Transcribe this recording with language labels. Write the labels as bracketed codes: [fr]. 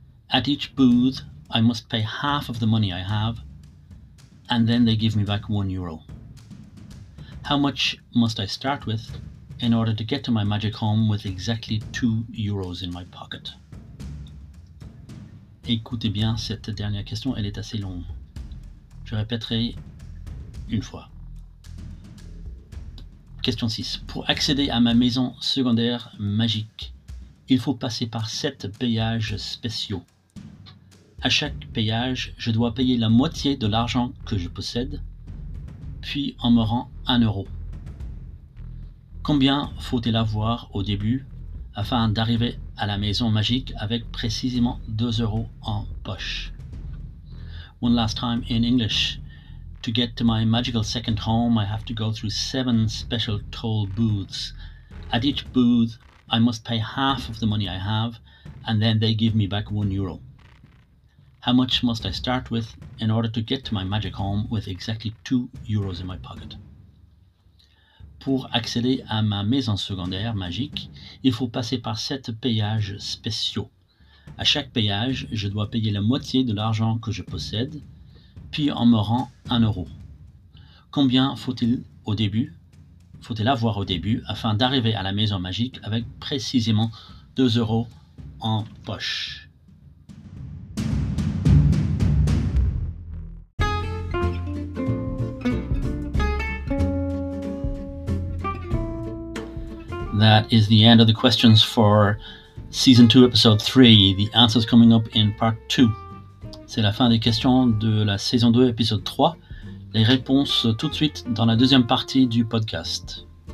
[en] At each booth, I must pay half of the money I have, and then they give me back 1 euro. How much must I start with in order to get to my magic home with exactly 2 euros in my pocket? [fr] Écoutez bien cette dernière question, elle est assez longue. Je répéterai une fois. Question 6. Pour accéder à ma maison secondaire magique, il faut passer par 7 péages spéciaux. À chaque péage, je dois payer la moitié de l'argent que je possède, puis on me rend 1 euro. Combien faut-il avoir au début afin d'arriver à la maison magique avec précisément 2 euros en poche? [en] One last time in English. To get to my magical second home, I have to go through 7 special toll booths. At each booth, I must pay half of the money I have, and then they give me back 1 euro. How much must I start with in order to get to my magic home with exactly 2 euros in my pocket? [fr] Pour accéder à ma maison secondaire magique, il faut passer par 7 péages spéciaux. À chaque péage, je dois payer la moitié de l'argent que je possède, puis on me rend 1 euro. Combien faut-il avoir au début afin d'arriver à la maison magique avec précisément 2 euros en poche? [en] That is the end of the questions for season 2, episode 3. The answers coming up in part 2. [fr] C'est la fin des questions de la saison 2, épisode 3. Les réponses tout de suite dans la deuxième partie du podcast.